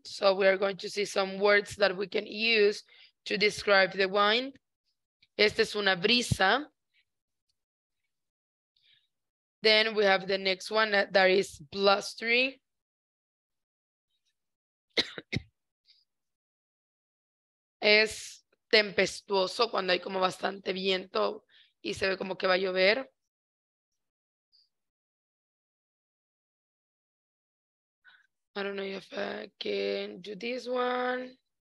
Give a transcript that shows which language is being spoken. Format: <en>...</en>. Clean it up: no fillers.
<en>So we are going to see some words that we can use to describe the wind.</en> <es>Esta es una brisa.</es> <en>Then we have the next one that is blustery.</en> <es>Es tempestuoso cuando hay como bastante viento y se ve como que va a llover.</es> <en>I don't know if I can do this one.</en>